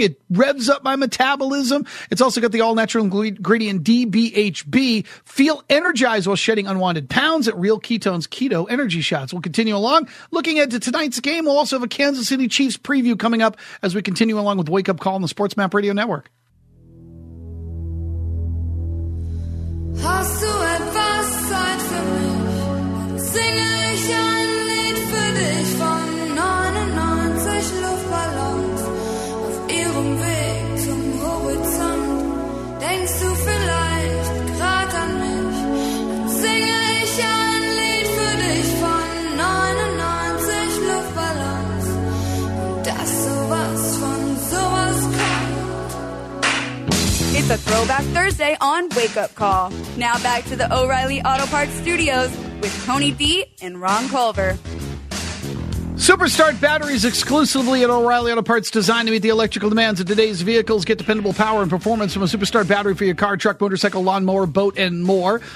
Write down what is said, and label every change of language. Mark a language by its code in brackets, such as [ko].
[en] It revs up my metabolism. It's also got the all-natural ingredient DBHB. Feel energized while shedding unwanted pounds at Real Ketones Keto Energy Shots. We'll continue along. Looking ahead to tonight's game, we'll also have a Kansas City Chiefs preview coming up as we continue along with Wake Up Call on the Sports Map Radio Network. [de] Hast du etwas Zeit für mich? Singe ich ein Lied für dich von 99 Luftballons auf ihrem Weg zum Horizont? Denkst du vielleicht gerade an mich? Singe ich ein Lied für dich von 99 Luftballons, dass sowas von sowas kommt? [en] It's a Throwback Thursday on Wake Up Call. Now back to the O'Reilly Auto Parts Studios with Tony D and Ron Culver. Superstart batteries exclusively at O'Reilly Auto Parts, designed to meet the electrical demands of today's vehicles. Get dependable power and performance from a Superstart battery for your car, truck, motorcycle, lawnmower, boat, and more.